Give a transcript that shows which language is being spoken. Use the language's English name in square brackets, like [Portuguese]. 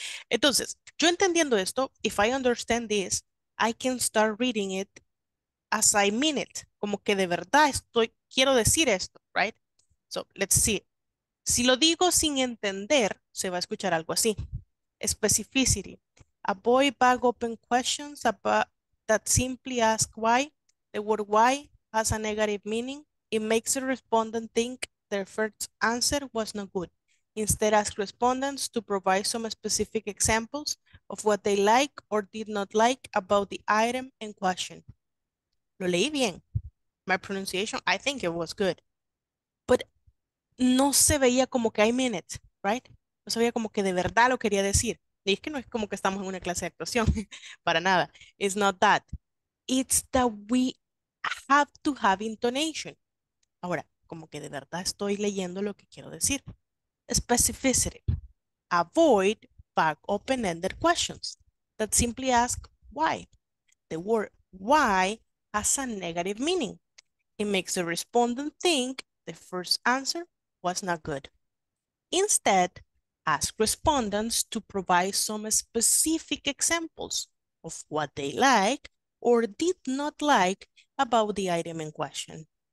[Spanish] Entonces, yo entendiendo esto, [English] if I understand this, I can start reading it as I mean it. [Spanish] Como que de verdad estoy, quiero decir esto, [English] right? So, let's see. [Spanish] Si lo digo sin entender, se va a escuchar algo así. [English] Specificity. Avoid vague open questions about, that simply ask why. The word why has a negative meaning. It makes the respondent think their first answer was not good. Instead, ask respondents to provide some specific examples of what they like or did not like about the item in question. [Spanish] Lo leí bien. [English] My pronunciation, I think it was good. But [Spanish] no se veía como que [English] I mean it, right? [Spanish] No se veía como que de verdad lo quería decir. Y es que no es como que estamos en una clase de actuación, para nada. [English] It's not that. It's that we have to have intonation. [Spanish] Ahora, como que de verdad estoy leyendo lo que quiero decir. [English] Specificity. Avoid vague open-ended questions that simply ask why. The word why has a negative meaning. It makes the respondent think the first answer was not good. Instead, ask respondents to provide some specific examples of what they like or did not like about the item in question.